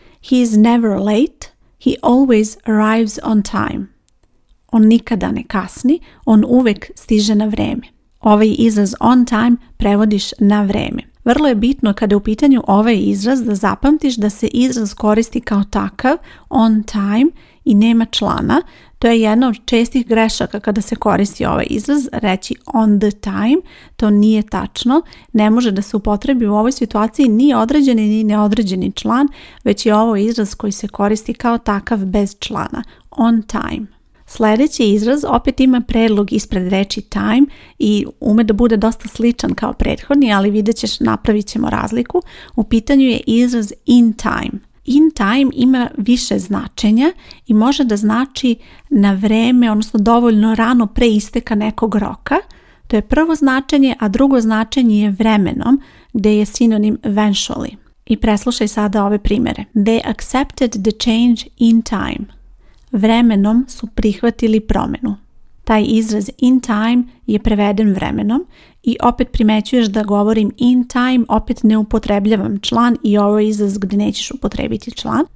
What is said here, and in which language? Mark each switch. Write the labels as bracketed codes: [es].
[en] He is never late, he always arrives on time. [sr] On nikada ne kasni, on uvek stiže na vreme. Ovaj izraz on time prevodiš na vreme. Vrlo je bitno kada je u pitanju ovaj izraz da zapamtiš da se izraz koristi kao takav, on time, i nema člana. To je jedna od čestih grešaka kada se koristi ovaj izraz, reći on the time, to nije tačno. Ne može da se upotrebi u ovoj situaciji ni određeni ni neodređeni član, već je ovo izraz koji se koristi kao takav bez člana, on time. Sljedeći izraz opet ima predlog ispred reči time i ume da bude dosta sličan kao prethodni, ali vidjet ćeš, napravit ćemo razliku. U pitanju je izraz in time. In time ima više značenja i može da znači na vreme, odnosno dovoljno rano pre isteka nekog roka. To je prvo značenje, a drugo značenje je vremenom, gdje je sinonim eventually. I preslušaj sada ove primjere. [en] They accepted the change in time. [sr] Vremenom su prihvatili promjenu. Taj izraz in time je preveden vremenom i opet primećuješ da govorim in time, opet ne upotrebljavam član i ovo je izraz gdje nećeš upotrebiti član.